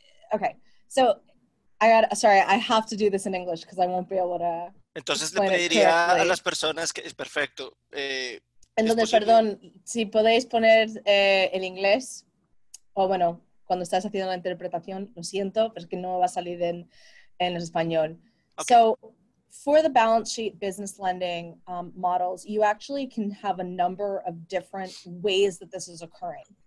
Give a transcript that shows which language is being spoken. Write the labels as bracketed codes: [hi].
[en] Okay, so I have to do this in English because I won't be able to... [es] Entonces le pediría a las personas que... Es perfecto. Entonces, perdón, si podéis poner el inglés o bueno... Cuando estás haciendo la interpretación, lo siento, pero es que no va a salir en español. [en] Okay. So, for the balance sheet business lending models, you actually can have a number of different ways that this is occurring.